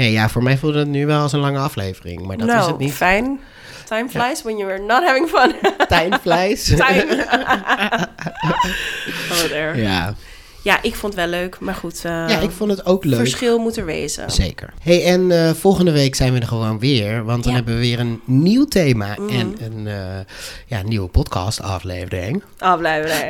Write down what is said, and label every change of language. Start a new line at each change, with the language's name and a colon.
Dutch: voor mij voelde het nu wel als een lange aflevering. Maar dat is het niet. Fijn.
English: Time flies when you're not having fun. Time flies. Time. Oh, there.
Dutch: Ja. Ja, ik vond het wel leuk, maar goed. Ik vond het ook leuk. Verschil moet er wezen. Zeker. Hey, en volgende week zijn we er gewoon weer, want dan hebben we weer een nieuw thema en een nieuwe podcast-aflevering. Aflevering.